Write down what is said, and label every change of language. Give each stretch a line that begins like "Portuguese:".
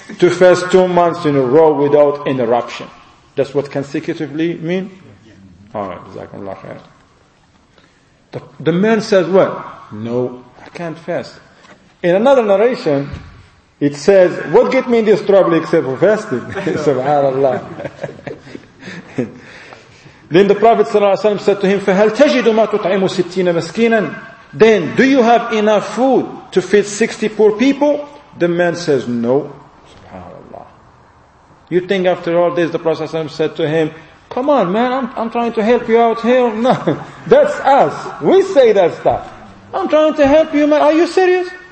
English: To fast 2 months in a row without interruption. That's what consecutively mean? All right, jazakallah khair. The man says what? No, I can't fast. In another narration, it says, what get me in this trouble except for fasting? Subhanallah. Then the Prophet ﷺ said to him,
Arabic: فَهَلْ تَجِدُ مَا تُطْعِمُ سِتِّينَ مَسْكِينًا?
English: Then, do you have enough food to feed 60 poor people? The man says, no. Subhanallah. You think after all this, the Prophet ﷺ said to him, come on man, I'm trying to help you out here. No, that's us. We say that stuff. I'm trying to help you, man. Are you serious?